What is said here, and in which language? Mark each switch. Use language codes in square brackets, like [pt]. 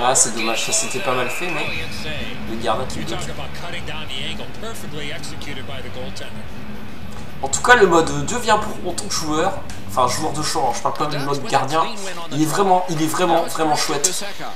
[fr] Ah, c'est dommage, ça c'était pas mal fait, mais le gardien qui bloque. [en] About cutting down the angle perfectly executed by the goaltender. [fr] En tout cas, le mode devient pro en tant que joueur, enfin joueur de champ, je parle pas du mode gardien, il est vraiment chouette.